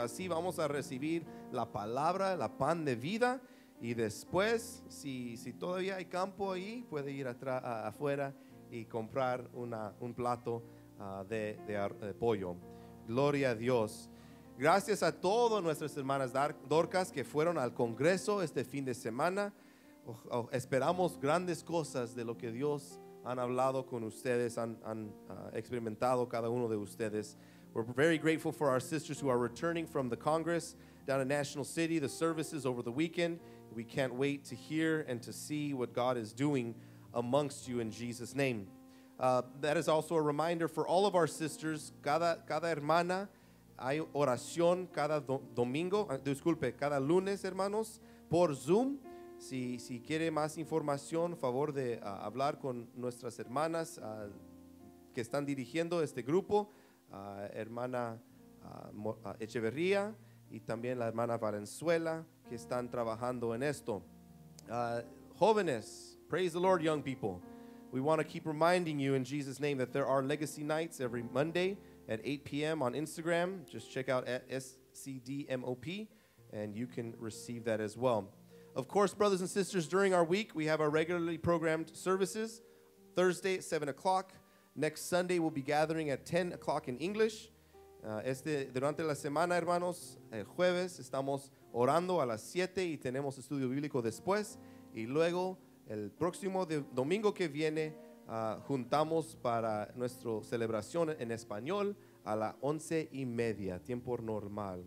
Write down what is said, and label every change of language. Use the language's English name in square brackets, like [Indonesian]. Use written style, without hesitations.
[Spanish] Así vamos a recibir la palabra, la pan de vida, y después, si todavía hay campo ahí, puede ir afuera y comprar un plato de pollo. Gloria a Dios. Gracias a todas nuestras hermanas Dorcas que fueron al congreso este fin de semana. Esperamos grandes cosas de lo que Dios han hablado con ustedes, han experimentado cada uno de ustedes. [English] We're very grateful for our sisters who are returning from the Congress down in National City, the services over the weekend. We can't wait to hear and to see what God is doing amongst you in Jesus' name. That is also a reminder for all of our sisters. [Spanish] Cada hermana, hay oración cada domingo, disculpe, cada lunes, hermanos, por Zoom. Si quiere más información, favor de hablar con nuestras hermanas que están dirigiendo este grupo, hermana Echeverría y también la hermana Valenzuela, que están trabajando en esto. [English] Jóvenes, praise the Lord, young people. We want to keep reminding you in Jesus' name that there are legacy nights every Monday at 8 p.m. on Instagram. Just check out SCDMOP and you can receive that as well. Of course, brothers and sisters, during our week, we have our regularly programmed services. Thursday at 7 o'clock. Next Sunday, we'll be gathering at 10 o'clock in English. [Spanish] Durante la semana, hermanos, el jueves, estamos orando a las 7 y tenemos estudio bíblico después. Y luego, el próximo domingo que viene, juntamos para nuestra celebración en español a las 11 y media, tiempo normal.